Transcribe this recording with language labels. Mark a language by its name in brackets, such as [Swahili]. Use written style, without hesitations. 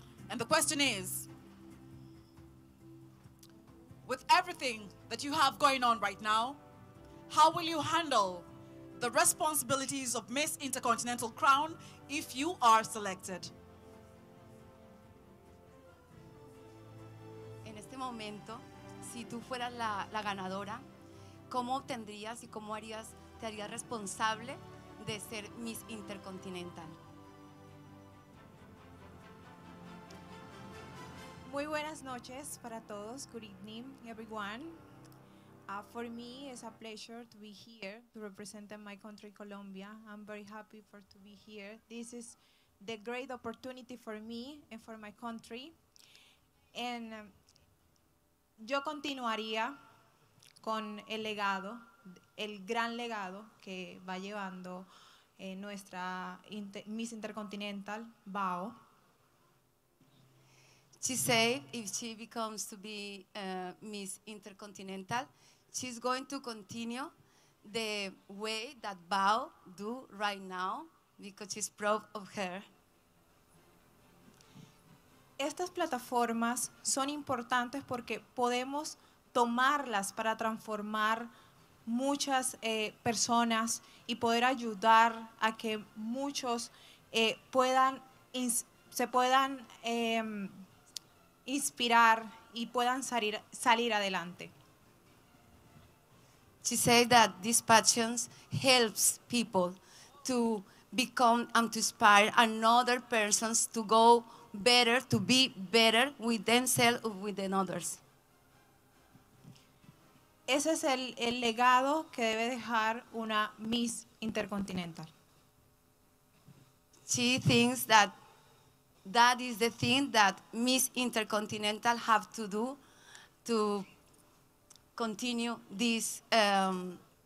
[English] And the question is, with everything that you have going on right now, how will you handle the responsibilities of Miss Intercontinental Crown if you are selected? [Spanish] En este momento, si tú fueras la ganadora, ¿cómo obtendrías y cómo harías, te harías responsable de ser Miss Intercontinental? Muy buenas noches para todos. [English] Good evening, everyone. For me, it's a pleasure to be here to represent my country, Colombia. I'm very happy to be here. This is the great opportunity for me and for my country. [Spanish] And yo continuaría con el legado, el gran legado que va llevando nuestra Miss Intercontinental, BAO. [English] She said if she becomes to be Miss Intercontinental, she's going to continue the way that BAO do right now because she's proud of her. [Spanish] Estas plataformas son importantes porque podemos tomarlas para transformar muchas personas y poder ayudar a que muchos puedan inspirar y puedan salir adelante. [English] She said that these passions helps people to become and to inspire another persons to go better, to be better with themselves or with others. [Spanish] Ese es el legado que debe dejar una Miss Intercontinental. [English] She thinks that that is the thing that Miss Intercontinental have to do to continue this prime.